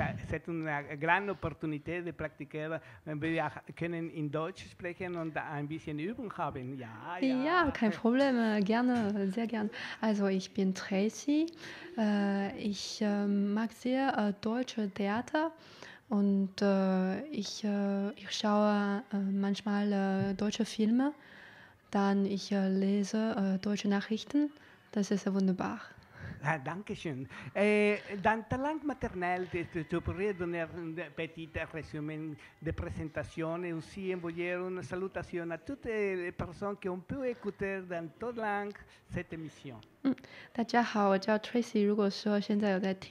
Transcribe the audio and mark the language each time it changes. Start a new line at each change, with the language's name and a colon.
French: C'est une grande opportunité de pratiquer.
German: Wir können in Deutsch sprechen und ein bisschen Übung haben. Ja, ja. Ja, kein Problem. Gerne, sehr gerne. Also, ich bin Tracy. Ich mag sehr deutsche Theater. Und ich schaue manchmal deutsche Filme. Dann ich lese deutsche Nachrichten. Das ist wunderbar. Ah, danke schön.
French: Dans ta langue maternelle, tu pourrais donner un petit résumé de présentation et aussi envoyer une salutation à toutes les personnes qui ont pu écouter dans toute langue cette émission.
Chinese: 大家好，我叫 Tracy。